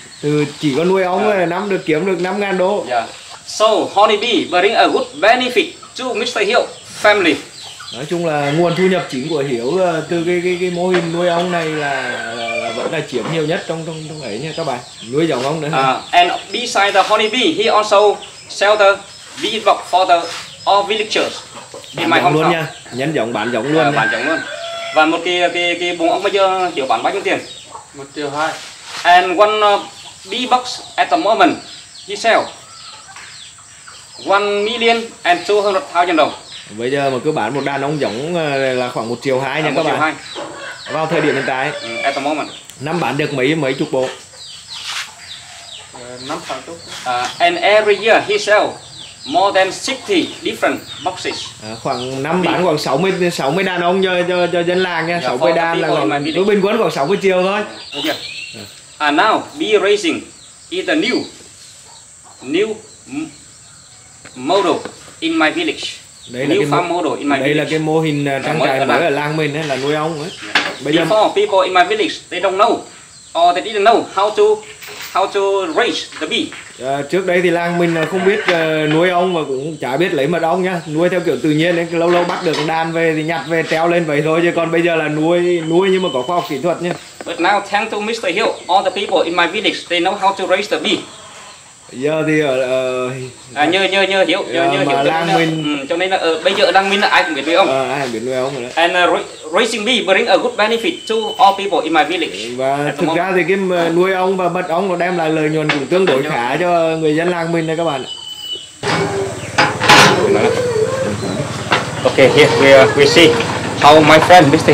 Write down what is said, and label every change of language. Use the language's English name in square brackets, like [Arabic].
[Vietnamese] Từ chỉ có nuôi ong thôi năm được kiếm được 5000 đô. [English] Yeah. So honey bee bring a good benefit to Mr. Hill family. [Vietnamese] Nói chung là nguồn thu nhập chính của Hiếu từ cái mô hình nuôi ong này là vẫn là chiếm nhiều nhất trong ấy nha các bạn. Nuôi giống ong nữa. [English] And beside the honey bee, he also sell the bee box for the all villagers. [Vietnamese] Bán giống luôn nha. Nhân giống bán giống luôn. Bán giống luôn. Và một cái bông ong bây giờ Hiếu bán bao nhiêu tiền? 1.2 triệu. [English] And one bee box at the moment he sell $1,200,000. [Vietnamese] Bây giờ mà cứ bán một đàn ong giống là khoảng 1 triệu 2 nha các bạn. 1 triệu 2. Vào thời điểm hiện tại. [English] At the moment. [Vietnamese] Năm bán được mấy chục bộ. 5 tháng chục. [English] And every year he sell more than 60 different boxes. [Vietnamese] Khoảng năm bán khoảng 60 đàn ong cho dân làng nha. 60 đàn là cứ bình quân khoảng 60 triệu thôi. [English] Ok. And now bee raising is the new model in my village. [Vietnamese] Đây là cái mô hình trang trại mới ở làng mình ấy, là nuôi ong ấy. Bây giờ [English] people in my village they don't know or they didn't know how to raise the bee. [Vietnamese] Trước đây thì làng mình không biết nuôi ong và cũng chả biết lấy mật ong nhá, nuôi theo kiểu tự nhiên ấy, lâu lâu bắt được đàn về thì nhặt về treo lên vậy thôi, chứ còn bây giờ là nuôi nhưng mà có khoa học kỹ thuật nhá. [English] But now thanks to Mr. Hill, all the people in my village they know how to raise the bee. [Vietnamese] Giờ thì [English] And raising bee bring a good benefit to all people in my village. [Vietnamese] Và thực ra thì cái nuôi ong và mật ong nó đem lại lợi nhuận cũng tương đối khá cho người dân làng mình đấy các bạn. [English] Okay, here we see how my friend Mr.